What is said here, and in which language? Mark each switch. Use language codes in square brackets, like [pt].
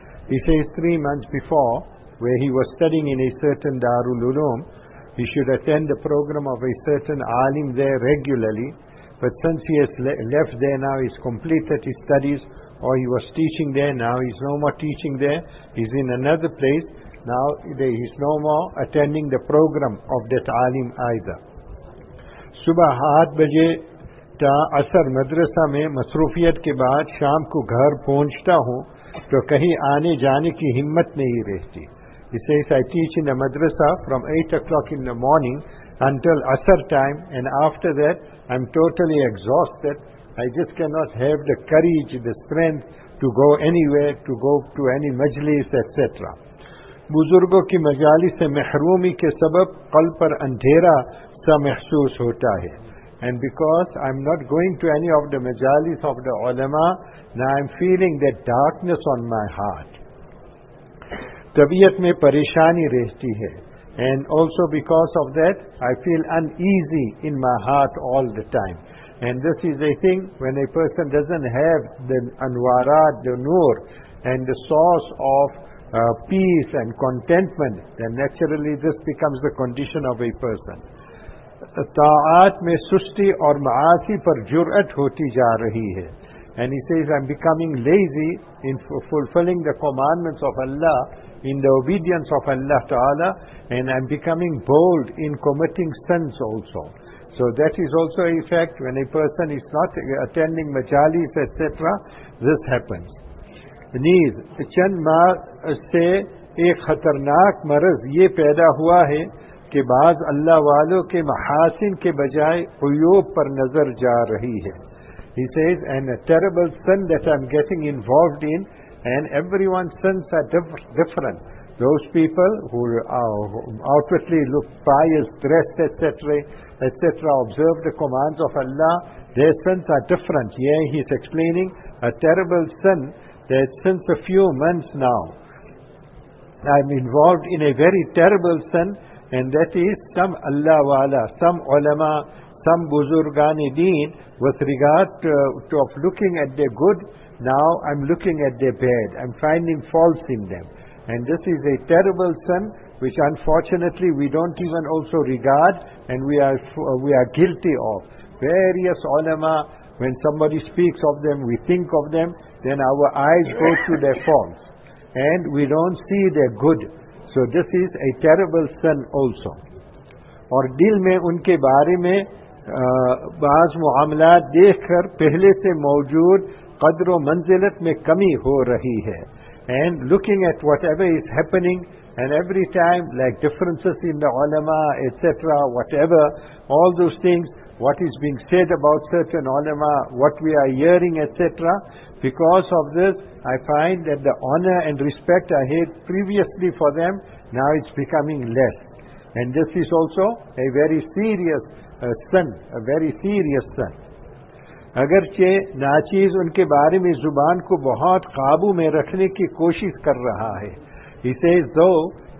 [en] He says 3 months before, where he was studying in a certain Darul Uloom, he should attend the program of a certain alim there regularly, but since he has left there now, he's completed his studies, or he was teaching there, now he's no more teaching there, he's in another place, now he's no more attending the program of that alim either. [ur] صبح 8 بجے تا عصر مدرسہ میں مصروفیت کے بعد شام کو گھر پہنچتا ہوں تو کہیں آنے جانے کی ہمت نہیں رہتی. [en] He says, I teach in the madrasa from 8 o'clock in the morning until asr time, and after that I'm totally exhausted. I just cannot have the courage, the strength to go anywhere, to go to any majlis, etc. [ur] بزرگوں کی مجالس سے محرومی کے سبب قلب پر اندھیرا محسوس ہوتا ہے. [en] And because I'm not going to any of the majalis of the ulama, now I'm feeling that darkness on my heart. [ur] طبیعت میں پریشانی رہتی ہے. [en] And also because of that, I feel uneasy in my heart all the time. And this is a thing, when a person doesn't have the anwarat, the noor, and the source of peace and contentment, then naturally this becomes the condition of a person. [ur] طاعات میں سستی اور معاصی پر جرأت ہوتی جا رہی ہے. [en] And he says, I'm becoming lazy in fulfilling the commandments of Allah, in the obedience of Allah Ta'ala, and I'm becoming bold in committing sins also. So that is also a fact, when a person is not attending majalis, etc., this happens. [ur] نیز چند ماہ سے ایک خطرناک مرض یہ پیدا ہوا ہے کہ بعض اللہ والوں کے محاسن کے بجائے عیوب پر نظر جا رہی ہے. [en] He says, and a terrible sin that I'm getting involved in, and everyone's sins are different. Those people who outwardly look pious, dressed, etc., etc., observe the commands of Allah, their sins are different. Here he's explaining a terrible sin that since a few months now, I'm involved in a very terrible sin, and that is some Allah wala, some ulama, some buzurgani deen, with regard to of looking at their good, now I'm looking at their bad, I'm finding faults in them. And this is a terrible sin, which unfortunately we don't even also regard, and we are guilty of. Various ulama, when somebody speaks of them, we think of them, then our eyes go to their faults, and we don't see their good. So this is a terrible sin also. [ur] اور دل میں ان کے بارے میں بعض معاملات دیکھ کر پہلے سے موجود قدر و منزلت میں کمی ہو رہی ہے. [en] And looking at whatever is happening, and every time, like differences in the ulama, etc., whatever, all those things, what is being said about certain ulama, what we are hearing, etc., because of this, I find that the honor and respect I had previously for them, now it's becoming less. And this is also a very serious sin, a very serious sin. [ur] اگرچہ ناچیز ان کے بارے میں زبان کو بہت قابو میں رکھنے کی کوشش کر رہا ہے. [en] He says, though